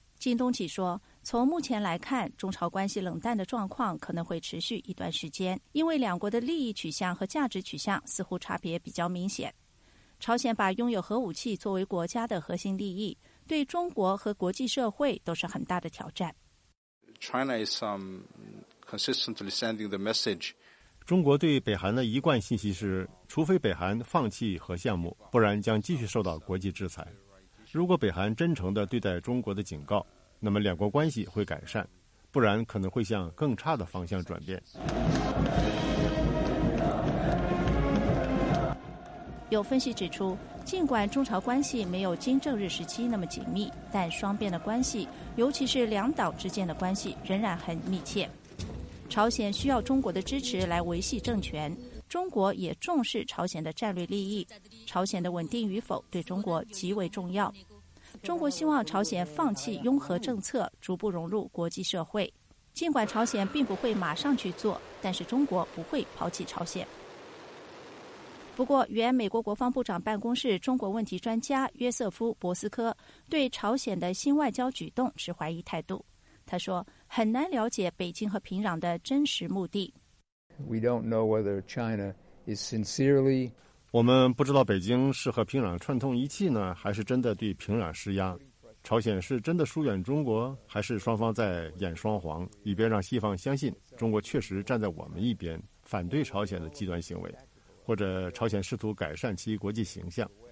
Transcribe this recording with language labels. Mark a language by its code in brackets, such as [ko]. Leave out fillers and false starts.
[zh] 金东启说，从目前来看，中朝关系冷淡的状况可能会持续一段时间，因为两国的利益取向和价值取向似乎差别比较明显。朝鲜把拥有核武器作为国家的核心利益，对中国和国际社会都是很大的挑战。 [en] China is consistently sending the message. [zh] 中国对北韩的一贯信息是，除非北韩放弃核项目，不然将继续受到国际制裁。如果北韩真诚地对待中国的警告，那么两国关系会改善，不然可能会向更差的方向转变。有分析指出，尽管中朝关系没有金正日时期那么紧密，但双边的关系，尤其是两岛之间的关系仍然很密切。朝鲜需要中国的支持来维系政权，中国也重视朝鲜的战略利益，朝鲜的稳定与否对中国极为重要。中国希望朝鲜放弃拥核政策，逐步融入国际社会。尽管朝鲜并不会马上去做，但是中国不会抛弃朝鲜。不过，原美国国防部长办公室中国问题专家约瑟夫·博斯科对朝鲜的新外交举动持怀疑态度。他说，很难了解北京和平壤的真实目的。 [en] We don't know whether China is sincerely. [zh] 我们不知道北京是和平壤串通一气呢，还是真的对平壤施压。朝鲜是真的疏远中国，还是双方在演双簧，以便让西方相信中国确实站在我们一边，反对朝鲜的极端行为，或者朝鲜试图改善其国际形象。